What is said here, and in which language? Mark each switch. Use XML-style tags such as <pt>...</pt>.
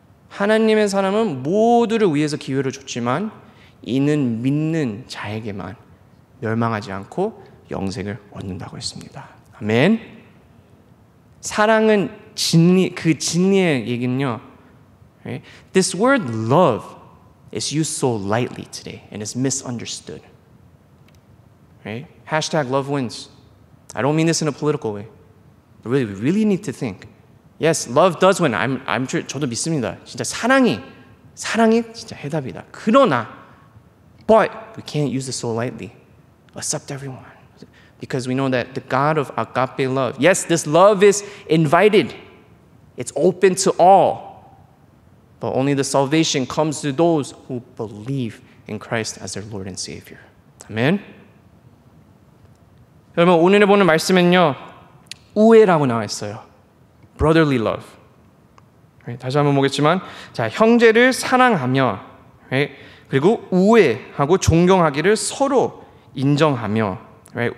<ko>하나님의 사랑은 모두를 위해서 기회를 줬지만 이는 믿는 자에게만 멸망하지 않고 영생을 얻는다고 했습니다. 아멘. 사랑은 진리, 그 진리의 얘기는요.</ko> <en>This word love is used so lightly today and is misunderstood. Right? Hashtag love wins. I don't mean this in a political way. But really, we really need to think. Yes, love does win. I'm sure,</en> <ko>저도 믿습니다. 진짜 사랑이 진짜 해답이다. 그러나,</ko> <en>but we can't use it so lightly. Accept everyone. Because we know that the God of agape love, yes, this love is invited. It's open to all. But only the salvation comes to those who believe in Christ as their Lord and Savior. Amen?</en> <ko>여러분, 오늘 보는 말씀은요, 우애라고 나와 있어요.</ko> <en>Brotherly love. Right?</en> <ko>다시 한번 보겠지만, 자, 형제를 사랑하며, right? 그리고 우애하고 존경하기를 서로 인정하며, right?</ko>